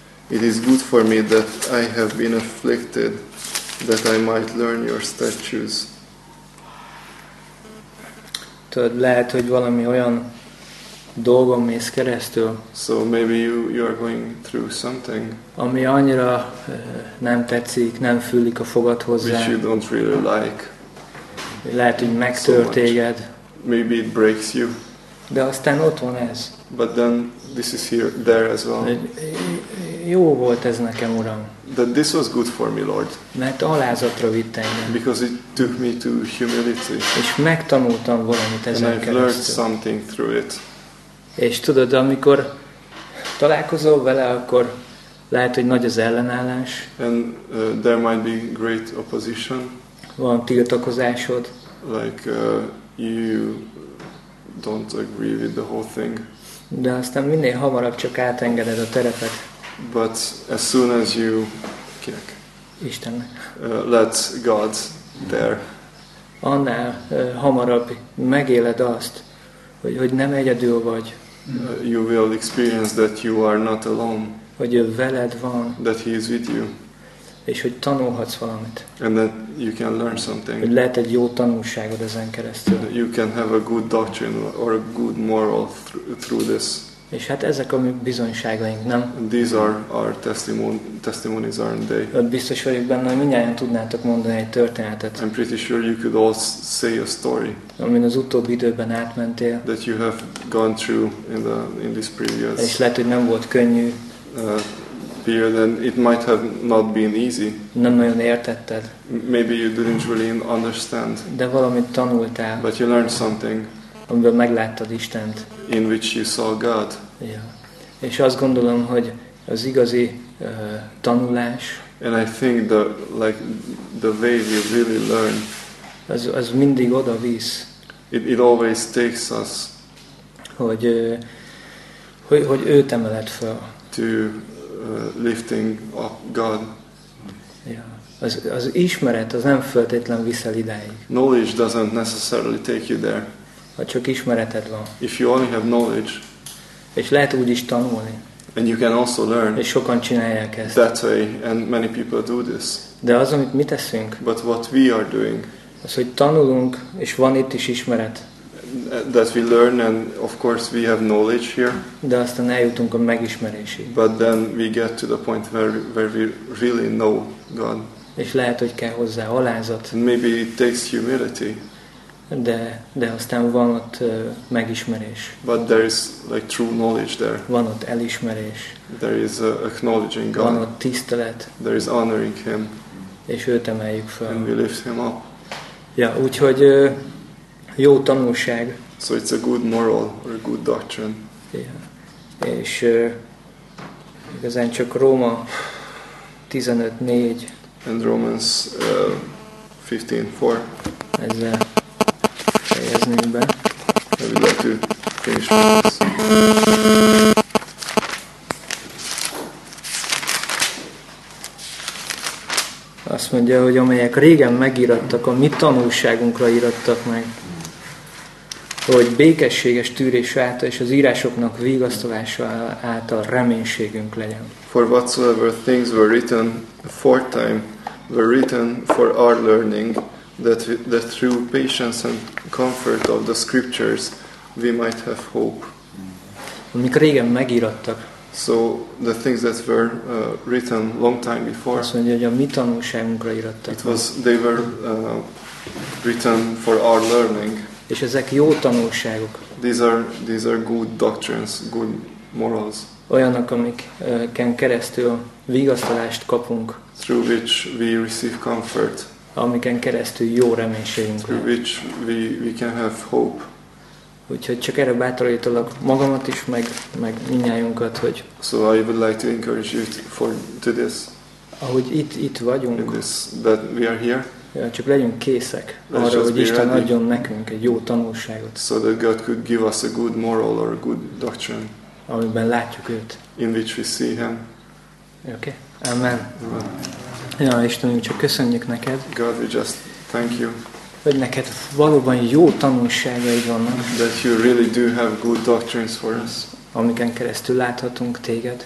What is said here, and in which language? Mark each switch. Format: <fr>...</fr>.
<en>It is good for me that I have been afflicted, that I might learn your statutes.</en> <hu>Tudod, lehet, hogy valami olyan dolgon mész keresztül.</hu> <en>So maybe you are going through something.</en> <hu>Ami annyira nem tetszik, nem füllik a fogad hozzá.</hu> <en>Which you don't really like.</en> <hu>Lehet, hogy megtör téged.</hu> <en>Maybe it breaks you.</en> <hu>De aztán ott van ez.</hu> <en>But then this is here, there as well.</en> <hu>Jó volt ez nekem, Uram.</hu> <en>That this was good for me, Lord.</en> <hu>Mert alázatra vitt engem.</hu> <en>Because it took me to humility.</en> <hu>És megtanultam valamit ezen keresztül.</hu> <en>And I've learned something through it.</en> <hu>És tudod, amikor találkozol vele, akkor lehet, hogy nagy az ellenállás.</hu> <en>And there might be great opposition.</en> <hu>Van tiltakozásod.</hu> <en>Like you don't agree with the whole thing.</en> <hu>De aztán minél hamarabb csak átengeded a terepet.</hu> <en>But as soon as you</en> <hu>kinek? Istennek.</hu> <en>Let God there.</en> <hu>Annál hamarabb megéled azt, hogy nem egyedül vagy.</hu> <en>You will experience that you are not alone.</en> <hu>Hogy ő veled van.</hu> <en>That he is with you.</en> <hu>És hogy tanulhatsz valamit.</hu> <en>And that you can learn something.</en> <hu>Hogy lehet egy jó tanulságod ezen keresztül.</hu> <en>You can have a good doctrine or a good moral through this.</en> <hu>És hát ezek a mi bizonyságaink, nem?</hu> <en>And these are our testimonies, aren't they?</en> <hu>Hát biztos vagyok benne, hogy mindjárt tudnátok mondani egy történetet.</hu> <en>I'm pretty sure you could all say a story.</en> <hu>Amin az utóbbi időben átmentél.</hu> <en>That you have gone through in this previous.</en> <hu>És lehet, hogy nem volt könnyű.</hu> <en>Period, and it might have not been easy.</en> <hu>Nem nagyon értetted.</hu> <en>Maybe you didn't really understand.</en> <hu>De valamit tanultál.</hu> <en>But you learned something.</en> <hu>Amiből megláttad Istent.</hu> <en>In which you saw God. Yeah.</en> <hu>És azt gondolom, hogy az igazi tanulás.</hu> <en>And I think the like the way we really learn.</en> <hu>Az mindig oda visz.</hu> <en>It always takes us.</en> <hu>Hogy őt emeled fel.</hu> <en>To lifting up God. Yeah.</en> <hu>Az ismeret az nem feltétlen viszel ideig.</hu> <en>Knowledge doesn't necessarily take you there.</en> <hu>Ha csak ismereted van.</hu> <en>If you only have knowledge.</en> <hu>És lehet úgy is tanulni.</hu> <en>And you can also learn.</en> <hu>És sokan csinálják ezt.</hu> <en>That way, and many people do this.</en> <hu>De az, amit mi teszünk.</hu> <en>But what we are doing.</en> <hu>Az, hogy tanulunk, és van itt is ismeret.</hu> <en>That we learn and of course we have knowledge here.</en> <hu>De aztán eljutunk a megismerésig.</hu> <en>But then we get to the point where we really know God.</en> <hu>És lehet, hogy kell hozzá alázat.</hu> <en>Maybe it takes humility.</en> <hu>De aztán van ott megismerés.</hu> <en>But there is like true knowledge there.</en> <hu>Van ott elismerés.</hu> <en>There is acknowledging God.</en> <hu>Van ott tisztelet.</hu> <en>There is honoring him.</en> <hu>És őt emeljük fel.</hu> <en>And we lift him up.</en> <hu>Ja, úgyhogy jó tanulság.</hu> <en>So it's a good moral or a good doctrine.</en> <hu>Yeah. És igazán csak Róma 15:4.</hu> <en>And Romans 15:4.</en> <hu>Ezzel fejeznénk be.</hu> <en>I would like to finish with this. Uh,</en> <hu>mondja, hogy amelyek régen megírattak, a mi tanulságunkra írattak meg, hogy békességes tűrés által és az írásoknak vigasztalása által reménységünk legyen.</hu> <en>For whatsoever things were written aforetime were written for our learning, that through patience and comfort of the scriptures we might have hope.</en> <hu>Amik régen megírattak.</hu> <en>So the things that were written long time before.</en> <hu>Azt mondja, hogy a mi tanulságunkra írattak.</hu> <en>They were written for our learning.</en> <hu>És ezek jó tanulságok.</hu> <en>These are good doctrines, good morals.</en> <hu>Olyanok, amiken keresztül vigasztalást kapunk.</hu> <en>Through which we receive comfort.</en> <hu>Amiken keresztül jó reménységünk.</hu> <en>Through which we can have hope.</en> <hu>Úgyhogy csak erre bátorítalak magamat is, meg mindnyájunkat, hogy.</hu> <en>So I would like to encourage you to this.</en> <hu>Ahogy itt vagyunk.</hu> <en>In this, that we are here.</en> <hu>Ja, csak legyünk készek arra, hogy Isten</hu> <en>ready.</en> <hu>Adjon nekünk egy jó tanulságot.</hu> <en>So that God could give us a good moral or a good doctrine.</en> <hu>Amiben látjuk őt.</hu> <en>In which we see him. Okay. Amen.</en> <hu>Ja, Istenünk, csak köszönjük neked.</hu> <en>God, we just thank you.</en> <hu>Hogy neked valóban jó tanulságaid vannak.</hu> <en>That you really do have good doctrines for us.</en> <hu>Amiken keresztül láthatunk téged.</hu>